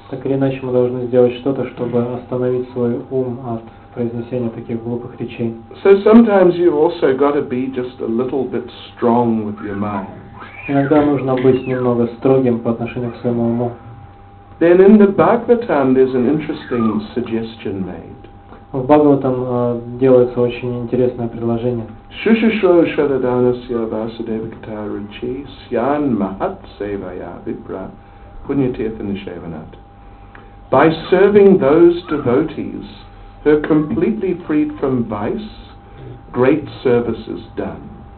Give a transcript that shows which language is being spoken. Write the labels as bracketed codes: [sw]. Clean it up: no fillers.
[ru] Так или иначе, мы должны сделать что-то, чтобы остановить свой ум от произнесения таких глупых речей. [en] So sometimes you've also got to be just a little bit strong with your mind. [ru] Иногда нужно быть немного строгим по отношению к своему уму. [en] Then in the Bhagavatam there's an interesting suggestion made. [ru] В Бхагаватам делается очень интересное предложение. [sa] Шушишо шададанасья васудевакта ручи сьян махат севая випра пуньятетанишеванат. [en] By serving those devotees who are completely freed from vice, great service is done.